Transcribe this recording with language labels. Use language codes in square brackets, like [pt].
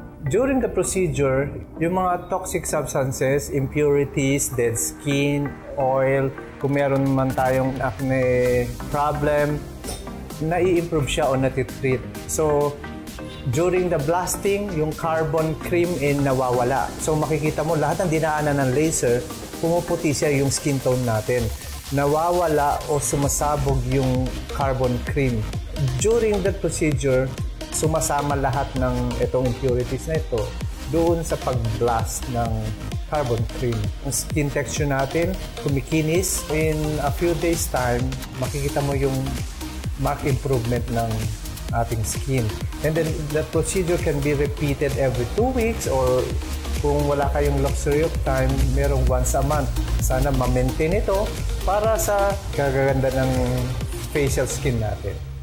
[en] During the procedure, [tl] yung mga [en] toxic substances, impurities, dead skin, oil, [tl] kung meron man tayong [en] acne problem, [tl] nai-improve siya o natitreat. [en] So, during the blasting, [tl] yung carbon cream ay nawawala. So, makikita mo lahat ng dinaanan ng laser, pumuputi siya yung [en] skin tone [tl] natin. Nawawala o sumasabog yung carbon cream. [en] During that procedure, [tl] sumasama lahat ng itong [en] impurities [tl] na ito doon sa pag-blast ng carbon cream. Ang [en] skin texture [tl] natin, kumikinis. [en] In a few days time, [tl] makikita mo yung [en] marked improvement [tl] ng ating skin. [en] And then, that procedure can be repeated every 2 weeks or [tl] kung wala kayong [en] luxury of time, [tl] merong [en] once a month. [tl] Sana ma-maintain ito para sa kagaganda ng [en] facial skin [tl] natin.